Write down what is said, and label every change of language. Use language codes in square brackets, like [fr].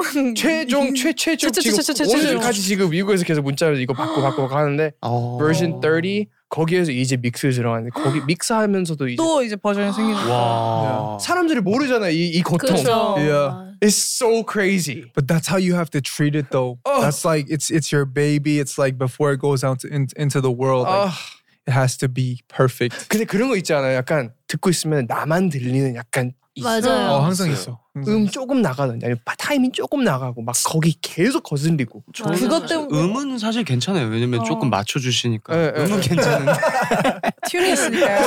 [ko] 오늘까지 지금 미국에서 계속 문자로 이거 바꾸 하는데 version 30 거기에서 이제 믹스 들어가는데 거기 믹스하면서도 이제 또 이제 버전이 생긴 거야. 사람들이 모르잖아요 이 고통. 그렇죠. [en] It's so crazy. But that's how you have to treat it though. That's like, it's your baby. It's like before it goes out into the world. Like, it has to be perfect. [ko] 근데 그런 거 있잖아요. 약간 듣고 있으면 나만 들리는 약간 있어요. 맞아요. 항상 있어. 조금 나가는데 아니면 타이밍 조금 나가고 막 거기 계속 거슬리고. 그것 때문에 음은 사실 괜찮아요. 왜냐면 조금 맞춰주시니까. 음은 괜찮은데. 튠이 있으니까요.